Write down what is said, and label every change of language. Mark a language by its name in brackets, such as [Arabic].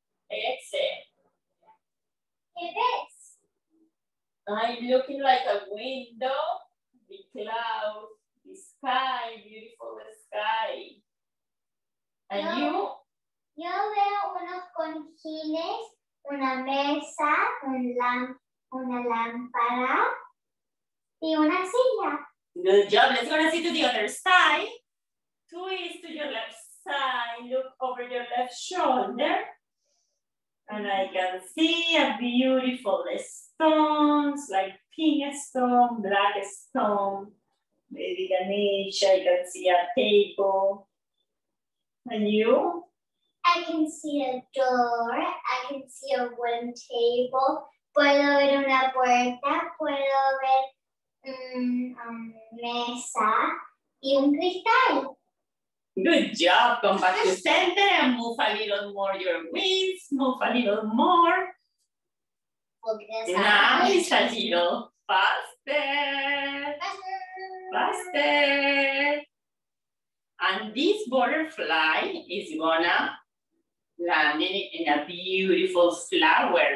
[English] Inhale. Exhale. It is. I'm looking like a window, the cloud, the sky, beautiful sky. And you? [Spanish] Yo veo unos cojines, una mesa, una lámpara y una silla. [English] Good job. Let's go and see to the other side. Twist to your left side. Look over your left shoulder. And I can see a beautiful stones, like pink stone, black stone, maybe a niche. I can see a table. And you? I can see a door, I can see a wooden table, [Spanish] puedo ver una puerta, puedo ver mesa y un cristal. [English] Good job, come back to center and move a little more your wings, move a little more. Nice, a little faster. And this butterfly is gonna landing in a beautiful flower.